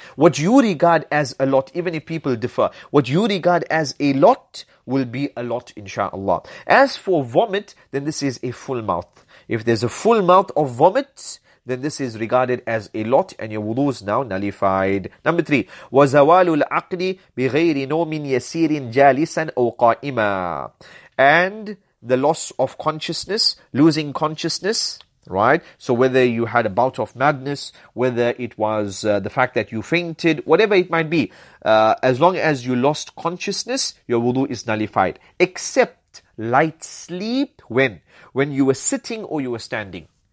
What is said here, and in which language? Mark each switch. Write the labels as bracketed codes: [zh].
[en] What you regard as a lot, even if people differ, what you regard as a lot will be a lot, inshallah. As for vomit, then this is a full mouth. If there's a full mouth of vomit, then this is regarded as a lot and your wudu is now nullified. Number three, [ar] وَزَوَالُ الْعَقْلِ بِغَيْرِ نَوْمٍ يَسِيرٍ جَالِسًا أَوْ قَائِمًا. [en] And the loss of consciousness, losing consciousness, right? So whether you had a bout of madness, whether it was the fact that you fainted, whatever it might be, as long as you lost consciousness, your wudu is nullified. Except light sleep, when you were sitting or you were standing.